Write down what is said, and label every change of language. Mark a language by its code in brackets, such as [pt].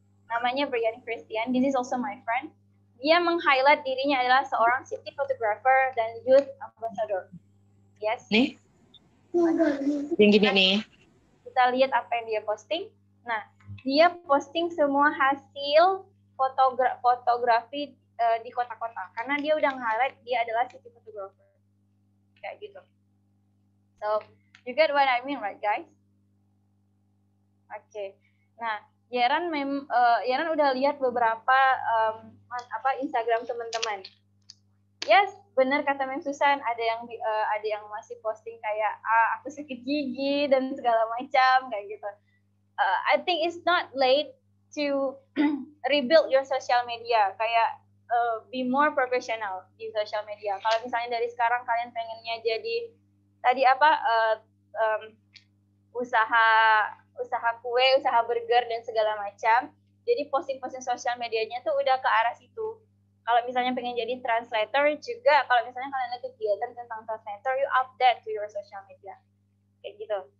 [id] Namanya [en] Brian Christian, this is also my friend. [id] Dia meng-highlight dirinya adalah seorang city photographer dan youth ambassador. [en] Yes? [id] Nih? Yang gini nih. Kita lihat apa yang dia posting. Nah, dia posting semua hasil fotografi di kota-kota. Karena dia udah nge-highlight dia adalah city photographer. Kayak gitu. [en] So, you get what I mean, right guys? [id] Okay. Nah, Yaran udah lihat beberapa Instagram teman-teman. Yes, benar kata Mem Susan, ada yang masih posting kayak aku sakit gigi dan segala macam kayak gitu. [en] I think it's not late to rebuild your social media, [id] kayak [en] be more professional di social media. [id] Kalau misalnya dari sekarang kalian pengennya jadi tadi apa usaha kue, usaha burger dan segala macam. Jadi posting social medianya tuh udah ke arah situ. Kalau misalnya pengen jadi translator juga, kalau misalnya kalian ada kegiatan tentang translator, [en] you update to your social media. [id] Kayak gitu.